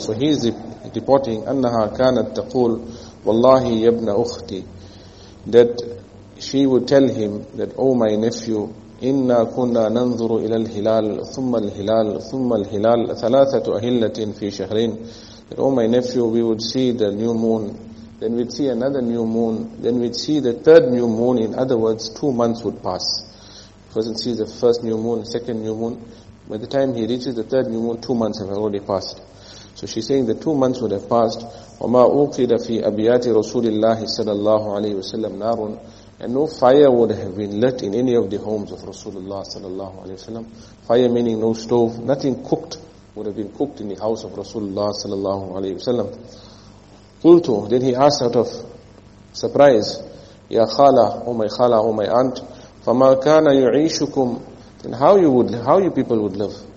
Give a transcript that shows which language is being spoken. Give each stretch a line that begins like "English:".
English: So he is reporting,
Arabic: أَنَّهَا كَانَتْ تَقُولْ وَاللَّهِ يَبْنَ أُخْتِ,
English: that she would tell him that, oh my nephew,
Arabic: إِنَّا كُنَّا نَنْظُرُ إِلَى الْهِلَالِ ثُمَّ الْهِلَالِ ثُمَّ الْهِلَالِ ثَلَاثَةُ أَهِلَّةٍ فِي شَهْرِينَ,
English: that oh my nephew, we would see the new moon, then we'd see another new moon, then we'd see the third new moon. In other words, 2 months would pass. Person sees the first new moon, second new moon. By the time he reaches the third new moon, 2 months have already passed. So she's saying the 2 months would have passed.
Arabic: وَمَا أُوْقِدَ فِي أَبْيَاتِ رَسُولِ اللَّهِ صَلَى اللَّهُ عَلَيْهِ وَسَلَّمْ نَارٌ,
English: and no fire would have been lit in any of the homes of Rasulullah
Arabic: صَلَى اللَّهُ عَلَيْهِ وَسَلَّمْ.
English: Fire meaning no stove, nothing cooked would have been cooked in the house of Rasulullah
Arabic: صَلَى اللَّهُ عَلَيْهِ وَسَلَّمْ.
English: قُلْتُ, then he asked out of surprise,
Arabic: يَا خَالَ,
English: oh my خَالَ, oh my aunt,
Arabic: فَمَا كَانَ يُعِيشُكُمْ,
English: then how you people would live?